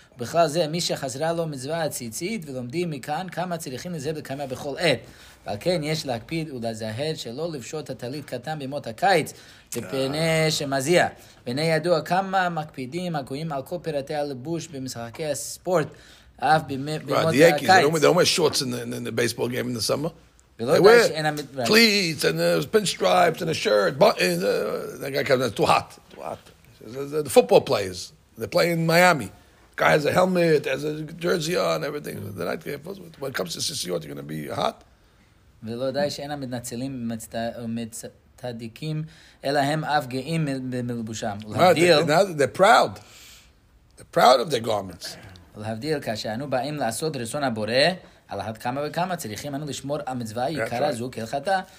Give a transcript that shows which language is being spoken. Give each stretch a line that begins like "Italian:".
Hebrew: בכלל זה, מי שחזרה לו מצוות ציצית, ולומדים מכאן כמה צריכים לזה וכמה בכל עת. ועל כן, יש להקפיד ולזהר שלא לפשוט הטלית קטן במות הקיץ, בפני שמזיע. ואינו ידוע כמה מקפידים הגויים על כל פרטי הלבוש במשחקי הספורט, אף במות הקיץ.
English: They don't wear shorts in the baseball game in the summer. They wear cleats and pinstripes and a shirt, buttons. That guy comes, it's too hot. The football players, they play in Miami. Guy has a helmet, has a jersey on, everything. The night game, when it comes to CCO, you're going to be hot.
Hebrew: ולא די שאינם מתנצלים ומצדיקים, אלא הם אף גאים במלבושם.
English: They're proud of their garments.
Hebrew: להבדיל, כאשר אנו באים לעשות רצון הבורא, על אחת כמה וכמה, צריכים אנו לשמור על מצווה יקרה זו כהלכתה.